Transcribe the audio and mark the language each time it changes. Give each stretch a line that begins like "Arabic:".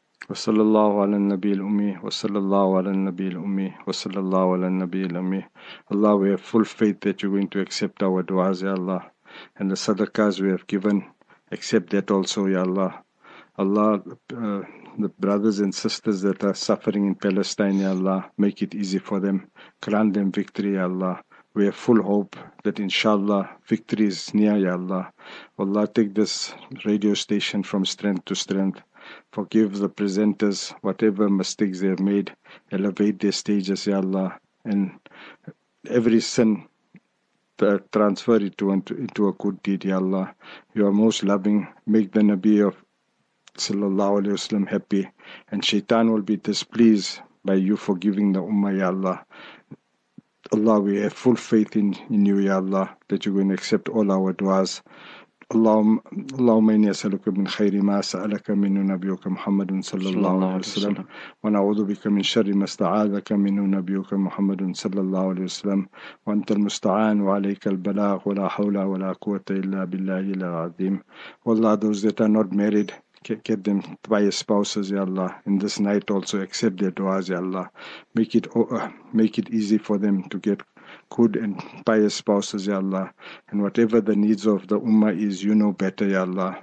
Arabic: وصلى الله على النبي الأمي وصلى الله على النبي الأمي وصلى الله على النبي الأمي.
English: Allah, we have full faith that you're going to accept our du'as, Ya Allah. And the sadaqas we have given, accept that also, Ya Allah. Allah, the brothers and sisters that are suffering in Palestine, Ya Allah, make it easy for them. Grant them victory, Ya Allah. We have full hope that inshallah victory is near, Ya Allah. Allah, take this radio station from strength to strength. Forgive the presenters, whatever mistakes they have made. Elevate their stages, Ya Allah. And every sin, transfer it into a good deed, Ya Allah. You are most loving. Make the Nabi of Sallallahu Alaihi Wasallam happy. And Shaitan will be displeased by you forgiving the Ummah, Ya Allah. Allah, we have full faith in you, Ya Allah, that you're going to accept all our du'as.
Arabic: اللهم إني أسألك من خير ما سألك منه نبيك محمد صلى الله عليه وسلم ونعوذ بك من شر ما استعاذك منه نبيك محمد صلى الله عليه وسلم وأنت المستعان وعليك البلاغ ولا حول ولا قوة إلا بالله العظيم.
English: والله those that are not married, get them by your spouses, Ya Allah. In this night also accept their du'as, Ya Allah. Make it easy for them to get good and pious spouses, Ya Allah. And whatever the needs of the Ummah is, you know better, Ya Allah.